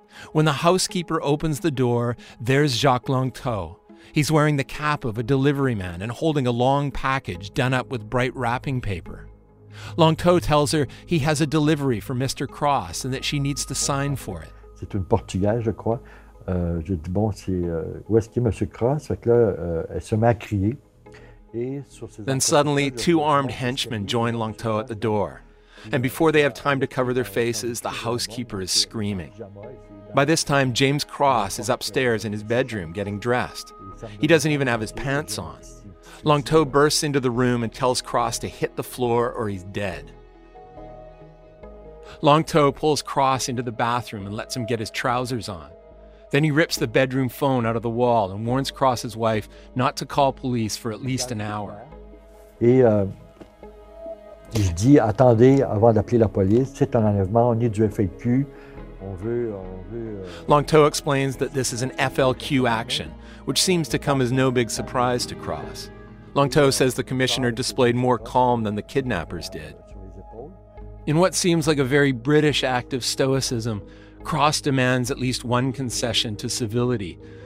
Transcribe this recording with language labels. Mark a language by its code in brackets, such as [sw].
[en] When the housekeeper opens the door, there's Jacques Longteau. He's wearing the cap of a delivery man and holding a long package done up with bright wrapping paper. Longteau tells her he has a delivery for Mr. Cross and that she needs to sign for it. [fr] C'est une Portugaise, je crois. Je dis bon, c'est où est-ce qu'est Monsieur Cross? Fait que là, elle se met à crier. [en] Then suddenly, two armed henchmen join Longteau at the door. And before they have time to cover their faces, the housekeeper is screaming. By this time, James Cross is upstairs in his bedroom getting dressed. He doesn't even have his pants on. Longteau bursts into the room and tells Cross to hit the floor or he's dead. Longteau pulls Cross into the bathroom and lets him get his trousers on. Then he rips the bedroom phone out of the wall and warns Cross's wife not to call police for at least an hour. [fr] Et il dit attendez avant d'appeler la police, c'est un enlèvement, on est du FLQ. [en] Longteau explains that this is an FLQ action, which seems to come as no big surprise to Cross. Longteau says the commissioner displayed more calm than the kidnappers did. In what seems like a very British act of stoicism, Cross demands at least one concession to civility.